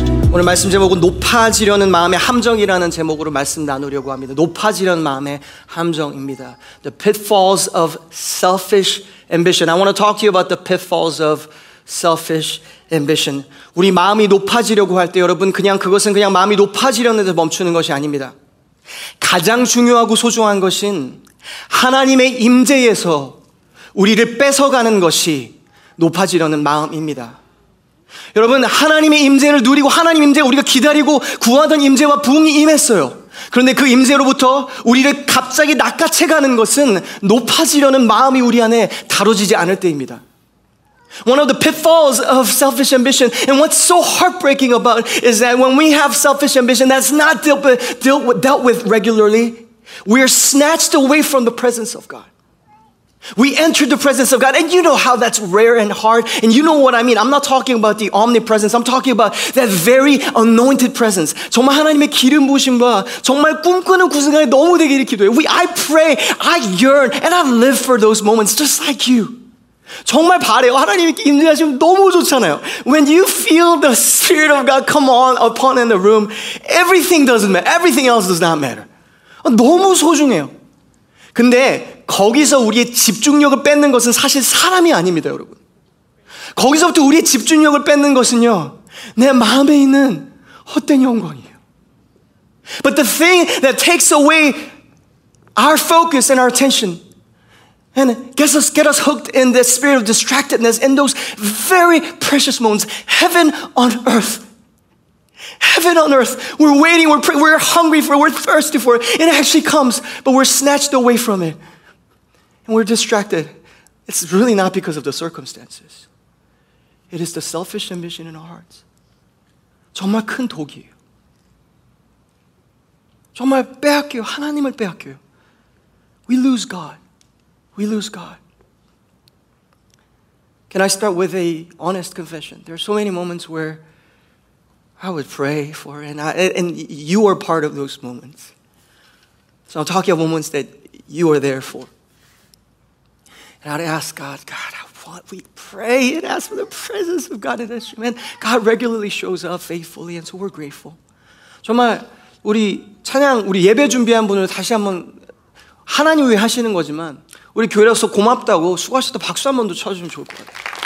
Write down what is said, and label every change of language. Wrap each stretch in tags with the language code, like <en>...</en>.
<ko>오늘 말씀 제목은 높아지려는 마음의 함정이라는 제목으로 말씀 나누려고 합니다. 높아지려는 마음의 함정입니다.</ko> <en>The pitfalls of selfish ambition. I want to talk to you about the pitfalls of selfish ambition.</en> <ko>우리 마음이 높아지려고 할 때 여러분 그냥 그것은 그냥 마음이 높아지려는 데서 멈추는 것이 아닙니다. 가장 중요하고 소중한 것은 하나님의 임재에서 우리를 뺏어가는 것이 높아지려는 마음입니다. 여러분 하나님의 임재를 누리고 하나님 임재 우리가 기다리고 구하던 임재와 부흥이 임했어요. 그런데 그 임재로부터 우리를 갑자기 낚아채가는 것은 높아지려는 마음이 우리 안에 다뤄지지 않을 때입니다.</ko> <en>One of the pitfalls of selfish ambition, and what's so heartbreaking about it is that when we have selfish ambition that's not dealt with regularly, we are snatched away from the presence of God. We enter the presence of God, and you know how that's rare and hard, and you know what I mean. I'm not talking about the omnipresence. I'm talking about that very anointed presence.</en> <ko>정말 하나님의 기름 부으심과 정말 꿈꾸는 그 순간에 너무 되기를 기도해.</ko> <en>I pray, I yearn, and I live for those moments just like you.</en> <ko>정말 바래요. 하나님께 임재하시면 너무 좋잖아요.</ko> <en>When you feel the Spirit of God come on upon in the room, everything doesn't matter. Everything else does not matter.</en> <ko>너무 소중해요. 근데 거기서 우리의 집중력을 뺏는 것은 사실 사람이 아닙니다, 여러분. 거기서부터 우리의 집중력을 뺏는 것은요, 내 마음에 있는 헛된 영광이에요.</ko> <en>But the thing that takes away our focus and our attention and get us hooked in the spirit of distractedness in those very precious moments, heaven on earth. Heaven on earth, we're waiting, we're praying, we're hungry for it, we're thirsty for it. It actually comes, but we're snatched away from it. And we're distracted. It's really not because of the circumstances. It is the selfish ambition in our hearts.</en> <ko>정말 큰 독이에요. 정말 빼앗겨요. 하나님을 빼앗겨요.</ko> <en>We lose God. We lose God. Can I start with a honest confession? There are so many moments where I would pray for, and you are part of those moments. So I'm talking of moments that you are there for. And I'd ask God, God, I want, we pray and ask for the presence of God in this room. And God regularly shows up faithfully, and so we're grateful.</en> <ko>정말 우리 찬양, 우리 예배 준비한 분을 다시 한번 하나님 위해 하시는 거지만 우리 교회로서 고맙다고 수고하셨다 박수 한 번 더 쳐주면 좋을 것 같아요.</ko>